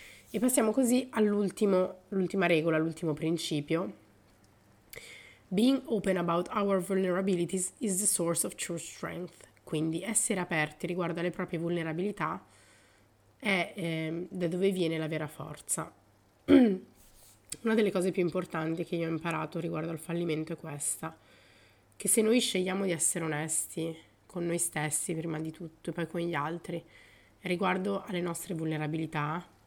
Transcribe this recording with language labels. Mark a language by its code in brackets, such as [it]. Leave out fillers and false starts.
[it] E passiamo così all'ultima regola, all'ultimo principio. [en] Being open about our vulnerabilities is the source of true strength. [it] Quindi essere aperti riguardo alle proprie vulnerabilità è da dove viene la vera forza. Una delle cose più importanti che io ho imparato riguardo al fallimento è questa, che se noi scegliamo di essere onesti con noi stessi prima di tutto e poi con gli altri riguardo alle nostre vulnerabilità,